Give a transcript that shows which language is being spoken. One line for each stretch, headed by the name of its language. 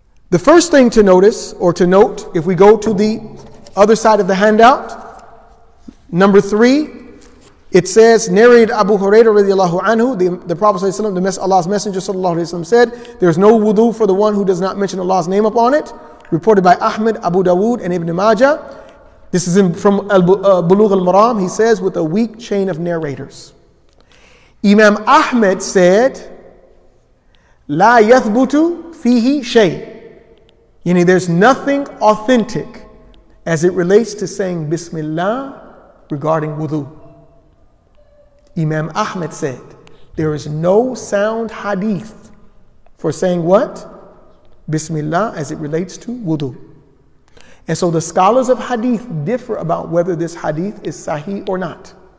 English: The first thing to notice or to note, if we go to the other side of the handout, number three, it says, narrated Abu Hurairah radiallahu anhu, the Prophet sallallahu alayhi wa sallam, Allah's Messenger sallallahu alayhi wa sallam said, there is no wudu for the one who does not mention Allah's name upon it. Reported by Ahmed, Abu Dawood, and Ibn Majah. This is from Bulugh al-Maram, he says, with a weak chain of narrators. Imam Ahmed said,
Arabic: لا يثبت فيه شيء.
English: Yani, there's nothing authentic as it relates to saying Bismillah regarding wudu. Imam Ahmed said, there is no sound hadith for saying what? Bismillah as it relates to wudu. And so the scholars of hadith differ about whether this hadith is sahih or not.